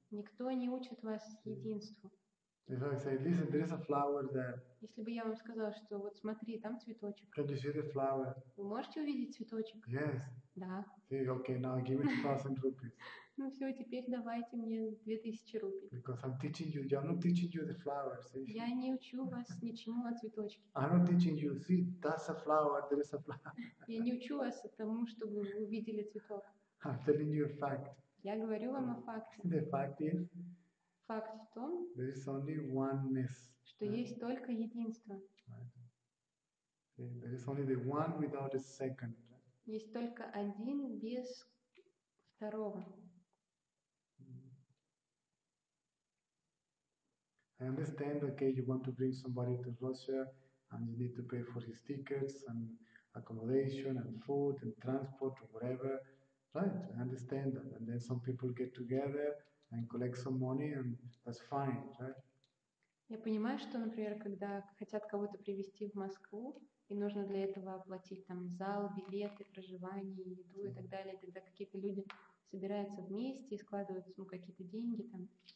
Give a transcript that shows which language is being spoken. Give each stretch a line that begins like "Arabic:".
Russian: Никто не учит вас единству.
English: If I say, listen, there is a flower there.
Russian: Если бы я вам сказал, что вот смотри, там цветочек.
English: Can you see the flower?
Russian: Вы можете увидеть цветочек?
English: Yes.
Russian: Да.
English: See, okay, now give me 2,000 rupees.
Russian: Ну все, теперь давайте мне 2,000 рупий.
English: Because I'm teaching you, I'm not teaching you the flowers.
Russian: Я не учу вас ничему о цветочке.
English: I'm not teaching you, see, that's a flower, there is a flower.
Russian: Я не учу вас тому, чтобы вы увидели цветок.
English: I'm telling you a fact.
Russian: Я говорю вам о факте.
English: The fact is,
Russian: факт в том,
English: there is only oneness.
Russian: Что right. Есть только единство.
English: There is only the one without a second.
Russian: Есть только один без второго.
English: I understand, okay, you want to bring somebody to Russia and you need to pay for his tickets and accommodation and food and transport or whatever. Right, I understand that. And then some people get together and collect some money and that's fine, right?
Russian: Я понимаю, что, например, когда хотят кого-то привезти в Москву, и нужно для этого оплатить там зал, билеты, проживание, еду и так далее, тогда какие-то люди собираются вместе и складывают ну, какие-то деньги там.